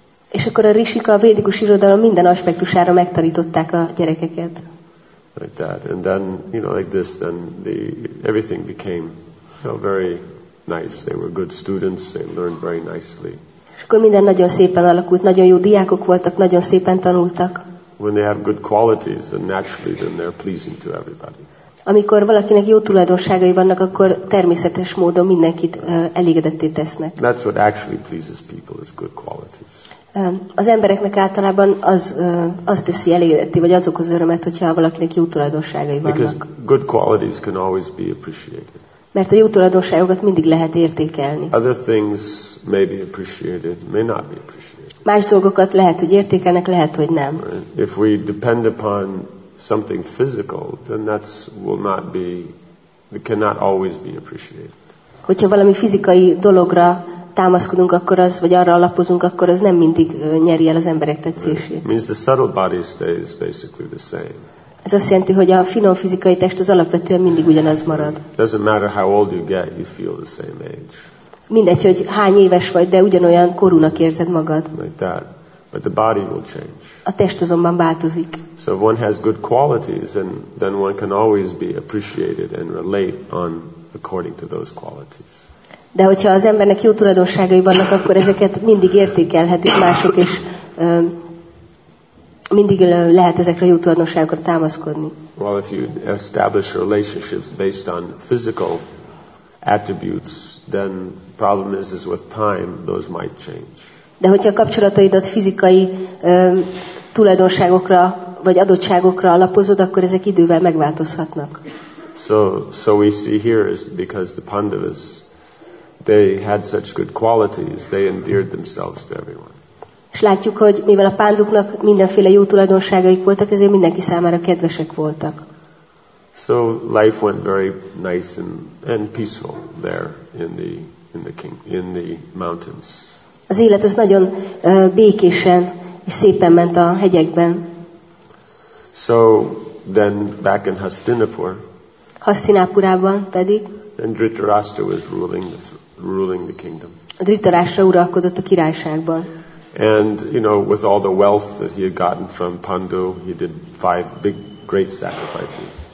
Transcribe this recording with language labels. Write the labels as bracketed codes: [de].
[hu] És akkor a rishik a védikus irodalom minden aspektusára megtanították a gyerekeket. [en] Like that, and then, you know, like this, then the everything became, you know, very nice. They were good students. They learned very nicely. [hu] És akkor minden nagyon szépen alakult. Nagyon jó diákok voltak. Nagyon szépen tanultak. [en] When they have good qualities, then naturally, then they're pleasing to everybody. [hu] Amikor valakinek jó tulajdonságai vannak, akkor természetes módon mindenkit elégedetté tesznek. [en] That's what actually pleases people, is good qualities. [hu] Az embereknek általában az teszi elégedetté, vagy az okoz örömet, hogyha valakinek jó tulajdonságai vannak. [en] Because good qualities can always be appreciated. [hu] Mert a jó tulajdonságokat mindig lehet értékelni. [en] Other things may be appreciated, may not be appreciated. [hu] Más dolgokat lehet, hogy értékelnek, lehet, hogy nem. [en] If we depend upon something physical, then that's will not be, it cannot always be appreciated. [hu] Hogyha valami fizikai dologra támaszkodunk, akkor az, vagy arra alapozunk, akkor az nem mindig nyeri el az emberek tetszését. [en] It means the subtle body stays basically the same. [hu] Ez azt jelenti, hogy a finom fizikai test az alapvetően mindig ugyanaz marad. [en] Doesn't matter how old you get, you feel the same age. [hu] Mindegy, hogy hány éves vagy, de ugyanolyan korúnak érzed magad. [en] Like that. But the body will change. [hu] A test azonban változik. [en] So if one has good qualities, and then one can always be appreciated and relate on according to those qualities. [hu] De hogyha az embernek jó tulajdonságai vannak, akkor ezeket mindig értékelhetik mások, és mindig lehet ezekre jó tulajdonságokra támaszkodni. [en] Well, if you establish relationships based on physical attributes, then problem is with time those might change. [hu] De hogyha a kapcsolataidat fizikai tulajdonságokra vagy adottságokra alapozod, akkor ezek idővel megváltozhatnak. [en] So we see here is because the Pandavas, they had such good qualities, they endeared themselves to everyone. [hu] És látjuk, hogy mivel a Panduknak mindenféle jó tulajdonságaik voltak, ezért mindenki számára kedvesek voltak. [en] So life went very nice and peaceful there in the mountains. [hu] Az élet az nagyon békésen és szépen ment a hegyekben. [en] So then back in Hastinapur, [hu] Hastinapurában pedig, [en] and Dhritarashtra was ruling the kingdom. [hu] Dhritarashtra uralkodott a királyságban. [en] And you know, with all the wealth that he had gotten from Pandu, he did 5 big great sacrifices.